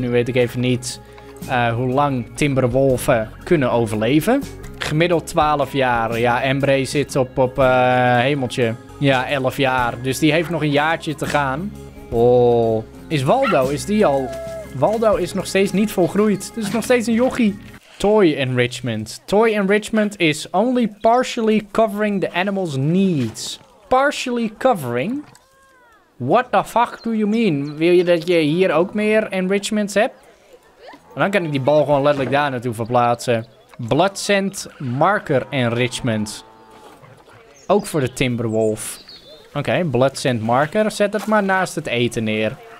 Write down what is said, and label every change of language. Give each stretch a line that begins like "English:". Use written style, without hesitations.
Dutch: Nu weet ik even niet hoe lang timberwolven kunnen overleven. Gemiddeld 12 jaar. Ja, Embre zit op hemeltje. Ja, 11 jaar. Dus die heeft nog een jaartje te gaan. Oh, Is Waldo, is die al... Waldo is nog steeds niet volgroeid. Het is nog steeds een jochie.
English: Toy enrichment. Toy enrichment is only partially covering the animal's needs. Partially covering? What the fuck do you mean?
Dutch: Wil je dat je hier ook meer enrichments hebt? En dan kan ik die bal gewoon letterlijk daar naartoe verplaatsen.
English: Blood scent marker enrichment.
Dutch: Ook voor de timberwolf. Oké, blood scent marker. Zet dat maar naast het eten neer.